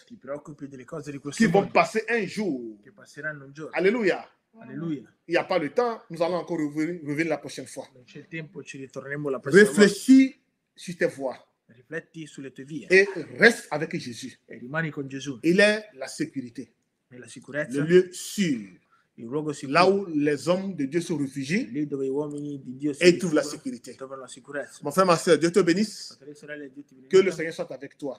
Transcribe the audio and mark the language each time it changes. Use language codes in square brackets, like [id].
[it] Ti preoccupi delle cose di questo qui mondo. [fr] Vont passer un jour. [it] Che passeranno un giorno. Alléluia. Alléluia. [fr] Il n'y a pas le temps, nous allons encore revenir la prochaine fois. [it] Non c'è il tempo, ci ritorneremo la prossima. [fr] Réfléchis sur tes voies. [it] Rifletti sulle tue vie. [fr] Et reste avec Jésus. [it] E rimani con Gesù. [fr] Il est la sécurité. [it] È la sicurezza. [fr] Le lieu sûr. [it] Il luogo sicuro. [fr] Là où les hommes de Dieu se réfugient. [it] Lì dove gli uomini di Dio si rifugiano. E trovano la sicurezza. Trovano la sicurezza. [fr] Mon frère, ma sœur, Dieu te bénisse. [it] Fratelli e sorelle, Dio ti benedica. [fr] Que le Seigneur soit avec toi.